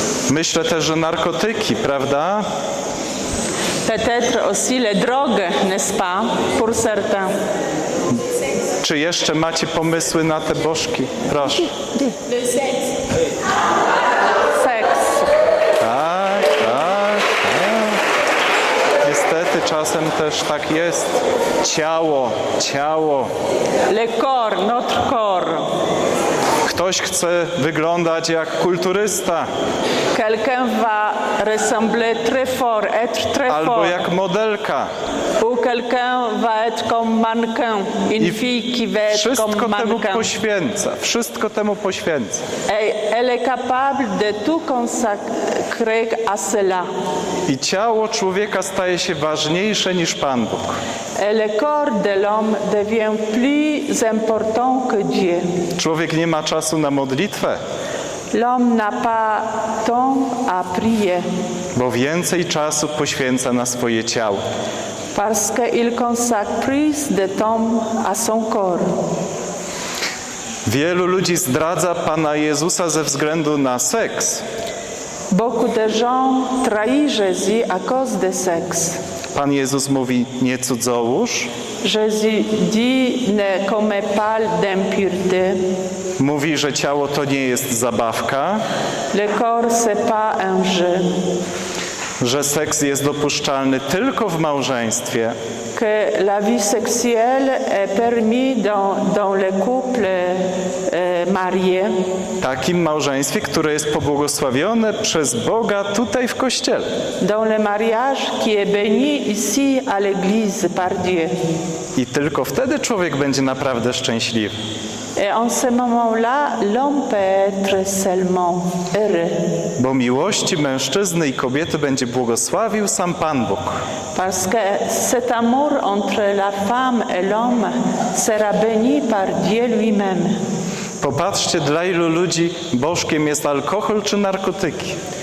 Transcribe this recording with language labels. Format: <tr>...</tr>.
<pl>Myślę też, że narkotyki, prawda?</pl> <fr>Peut-être aussi les drogues, n'est-ce pas, pour certains.</fr> <pl>Czy jeszcze macie pomysły na te bożki? Proszę. Seks. Tak, tak, tak. Niestety czasem też tak jest. Ciało, ciało.</pl> <fr>Le corps, notre corps.</fr> <pl>Ktoś chce wyglądać jak kulturysta.</pl> <fr>Quelqu'un va ressembler très fort, être très</fr> <pl>Albo</pl> <fr>fort.</fr> <pl>Jak modelka.</pl> <fr>Ou quelqu'un va être comme mannequin, une fille qui va être comme mannequin.</fr> <pl>Wszystko temu poświęca. Wszystko temu poświęca.</pl> <fr>Elle est capable de tout consacrer à cela.</fr> <pl>I ciało człowieka staje się ważniejsze niż Pan Bóg.</pl> <fr>Et le corps de l'homme devient plus important que Dieu.</fr> <pl>Człowiek nie ma czasu na modlitwę.</pl> <fr>L'homme n'a pas temps à prier.</fr> <pl>Bo więcej czasu poświęca na swoje ciało.</pl> <fr>Parce qu'il consacre plus de temps à son corps.</fr> <pl>Wielu ludzi zdradza Pana Jezusa ze względu na seks.</pl> <fr>Beaucoup de gens trahissent Jésus à cause de sexe.</fr> <pl>Pan Jezus mówi, nie cudzołóż.</pl> <fr>Jésus dit, ne commet pas d'impureté.</fr> <pl>Mówi, że ciało to nie jest zabawka.</pl> <fr>Le corps, c'est pas un jeu.</fr> <pl>Że seks jest dopuszczalny tylko w małżeństwie.</pl> <fr>Que la vie sexuelle est permis dans le couple marié.</fr> <pl>Takim małżeństwie, które jest pobłogosławione przez Boga tutaj w kościele.</pl> <fr>Dans le mariage qui est béni ici à l'église par Dieu.</fr> <pl>I tylko wtedy człowiek będzie naprawdę szczęśliwy.</pl> <fr>Et en ce moment-là, l'homme peut être seulement heureux.</fr> <pl>Bo miłości mężczyzny i kobiety będzie błogosławił sam Pan Bóg.</pl> <fr>Parce que cet amour entre la femme et l'homme sera béni par Dieu lui-même.</fr> <pl>Popatrzcie, dla ilu ludzi bożkiem jest alkohol czy narkotyki.</pl>